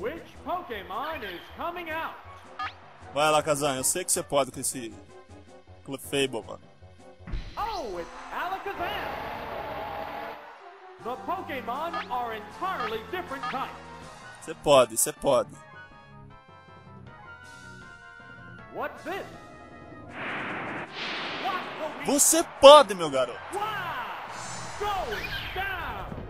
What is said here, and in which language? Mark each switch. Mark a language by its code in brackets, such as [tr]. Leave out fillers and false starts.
[en] Which Pokémon is coming out? [pt] Vai lá, Kazan, eu sei que você pode com esse Clefable, mano. [en] Oh, it's Alakazam! The Pokémon are entirely different types. [pt] Você pode, você pode. [en] What's this? [pt] Você pode, meu garoto. [en] Wow! Go down!